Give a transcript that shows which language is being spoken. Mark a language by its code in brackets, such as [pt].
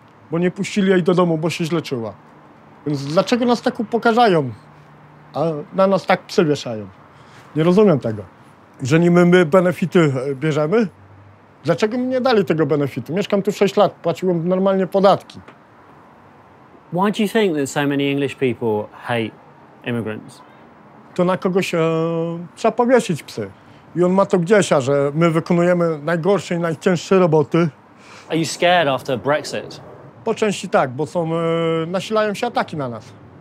[pl] Bo nie puścili jej do domu, bo się źle czuła. Więc dlaczego nas tak upokarzają, a na nas tak przywieszają? Nie rozumiem tego. Że nie my benefity bierzemy? Dlaczego mi nie dali tego benefitu? Mieszkam tu 6 lat, płaciłem normalnie podatki. [en] Why do you think that so many English people hate immigrants? [pl] To na kogoś trzeba powiesić psy. I on ma to gdzieś, a że my wykonujemy najgorsze i najcięższe roboty. [en] Are you scared after Brexit? [pl] Po części tak, bo są nasilają się ataki na nas.